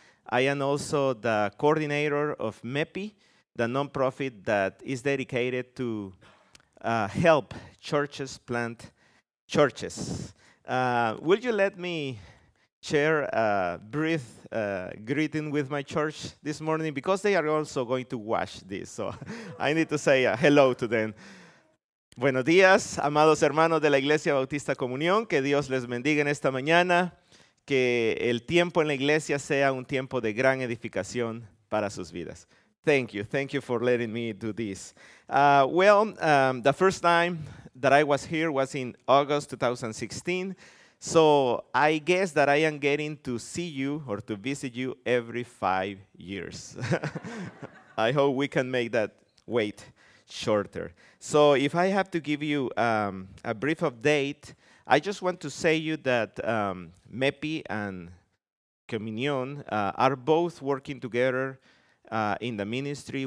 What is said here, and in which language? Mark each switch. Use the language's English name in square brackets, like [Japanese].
[English] I am also the coordinator of MEPI, the nonprofit that is dedicated to help churches plant churches. Will you let me share a brief greeting with my church this morning? Because they are also going to watch this, so I need to say hello to them. [Spanish] Buenos días, amados hermanos de la Iglesia Bautista Comunión. Que Dios les bendiga en esta mañana. Que el tiempo en la iglesia sea un tiempo de gran edificación para sus vidas. [English] Thank you for letting me do this. The first time that I was here was in August 2016. So I guess that I am getting to see you or to visit you every 5 years. I hope we can make that wait shorter. So if I have to give you a brief update, I just want to say you that MEPI and Comunión are both working together in the ministry.